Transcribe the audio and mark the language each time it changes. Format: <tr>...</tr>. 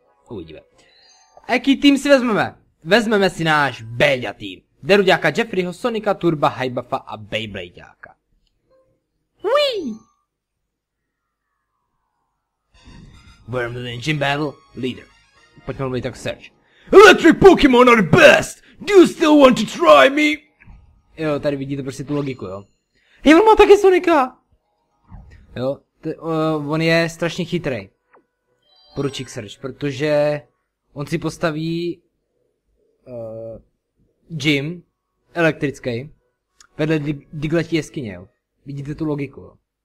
<cs>Uvidíme. A jaký tým si vezmeme? Vezmeme si náš Béďa tým. Deruďáka, Jeffreyho, Sonika, Turba, Hybuffa a Beyblade-áka. Whee!</cs> <en>Wormlin Gym Battle Leader.</en> <cs>Pojďme mluvit tak Serge.</cs> <en>Electric Pokémon are the best! Do you still want to try me?</en> <cs>Jo, tady vidíte prostě tu logiku, jo. Hej, on má taky Sonika! Jo, on je strašně chytrý. Poručík Serge, protože on si postaví gym elektrický vedle Diglettí jeskyně, jo. Vidíte tu logiku, jo.</cs>